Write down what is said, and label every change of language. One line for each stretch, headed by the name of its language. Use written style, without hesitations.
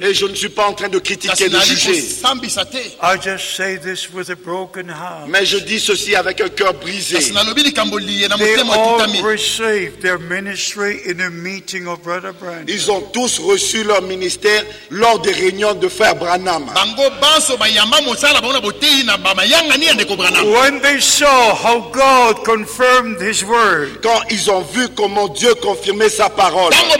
French: Et je ne suis pas en train de critiquer, de juger.
English: I just say this with a broken heart.
French: Mais je dis ceci avec un cœur brisé.
English: They all received their ministry in a meeting of Brother Branham.
French: Ils ont tous reçu leur ministère lors des réunions de frère Branham.
English: When they saw how God confirmed his word.
French: Quand ils ont vu comment Dieu confirmait sa parole.